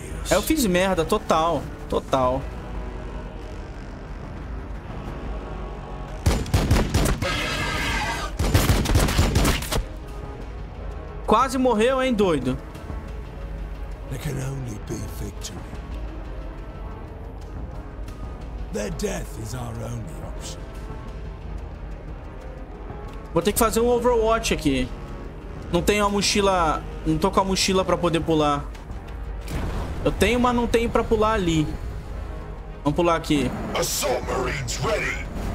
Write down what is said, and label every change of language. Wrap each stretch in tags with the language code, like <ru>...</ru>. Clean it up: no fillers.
<pt>Eu fiz merda, total. Total. Quase morreu, hein, doido?</pt> <en>There can only be victory. Their death is our only option.</en> <pt>Vou ter que fazer um Overwatch aqui. Não tenho a mochila. Não tô com a mochila pra poder pular. Eu tenho, mas não tenho pra pular ali. Vamos pular aqui.</pt> <en>Assault Marines ready.</en>